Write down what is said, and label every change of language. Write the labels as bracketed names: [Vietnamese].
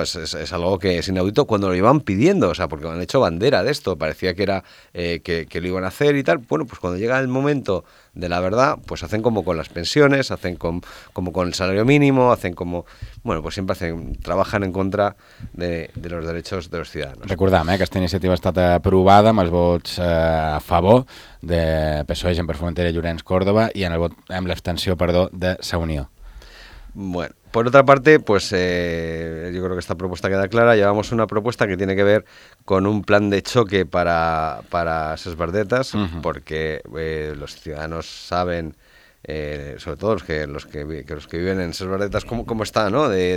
[Spanish] Es algo que es inaudito cuando lo iban pidiendo, o sea, porque han hecho bandera de esto. Parecía que era que lo iban a hacer y tal. Bueno, pues cuando llega el momento de la verdad, pues hacen como con las pensiones, hacen como con el salario mínimo, hacen como... Bueno, pues siempre trabajan en contra de los derechos de los ciudadanos. [Catalan] Recordem, que esta iniciativa ha estat aprovada amb els vots a favor de PSOE, Gent per Formentera, Llorenç Còrdoba i en el vot amb l'abstenció, perdó, de Sa Unió. [Spanish] Bueno, por otra parte, pues yo creo que esta propuesta queda clara. Llevamos una propuesta que tiene que ver con un plan de choque para Ses Verdetas, porque los ciudadanos saben, sobre todo los que viven en Ses Verdetas, cómo está, ¿no?